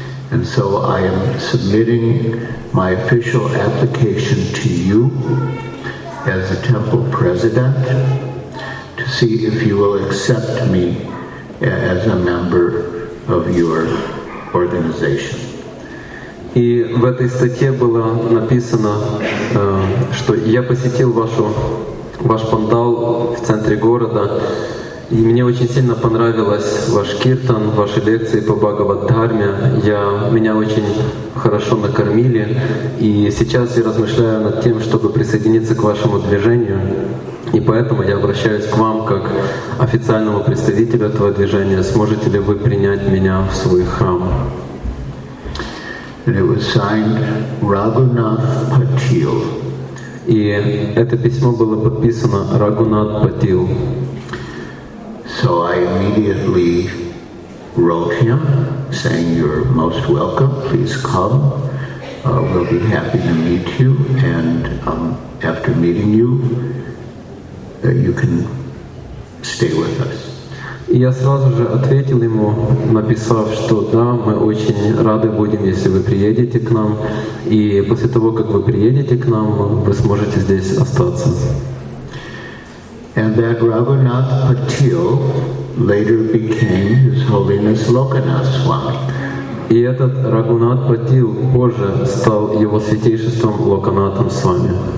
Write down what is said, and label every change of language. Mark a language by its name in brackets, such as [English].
[English] And so I am submitting my official application to you as the temple president to see if you will accept me as a member of your organization. [Russian] И в этой статье было написано, что я посетил ваш пандал в центре города. И мне очень сильно понравилось ваш киртан, ваши лекции по Бхагавад-дхарме. Меня очень хорошо накормили, и сейчас я размышляю над тем, чтобы присоединиться к вашему движению. И поэтому я обращаюсь к вам как официальному представителю этого движения. Сможете ли вы принять меня в свой храм? [English] And it was signed Raghunath Patil. [Russian] И это письмо было подписано Рагунат Патил. [English] So I immediately wrote him saying, "You're most welcome. Please come. We'll be happy to meet you. And after meeting you, you can stay with us." [Russian] И я сразу же ответил ему, написав, что да, мы очень рады будем, если вы приедете к нам. И после того, как вы приедете к нам, вы сможете здесь остаться. [English] And that Raghunath Patil later became His Holiness Lokanath Swami. [Russian] И этот Рагунат Патил позже стал Его Святейшеством Локанатом Свами.